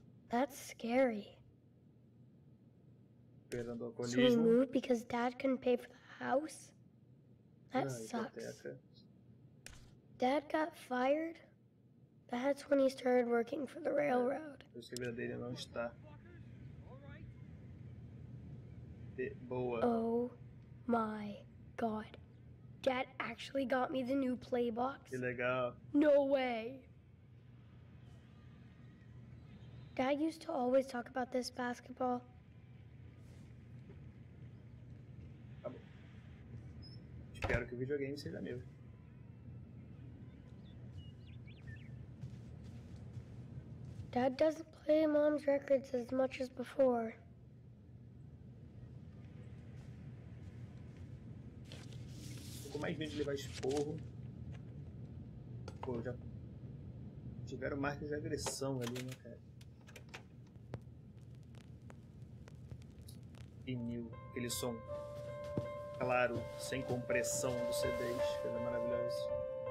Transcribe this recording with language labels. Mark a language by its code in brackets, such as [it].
[en] That's scary. [pt] Perdendo o alcoolismo. [en] So we moved because Dad couldn't pay for the house? That sucks. Dad got fired? That's when he started working for the railroad. [pt] O escrever dele não está de boa. [en] Oh my god. Dad actually got me the new play box. [pt] Que legal. [en] No way. Dad used to always talk about this basketball. [pt] Tá bom. Espero que o videogame seja meu. [en] Dad doesn't play Mom's records as much as before. [pt] Com mais medo de levar esporro. Pô, já tiveram marcas de agressão ali, né, cara? Vinil, aquele som claro, sem compressão do CDs, coisa maravilhosa.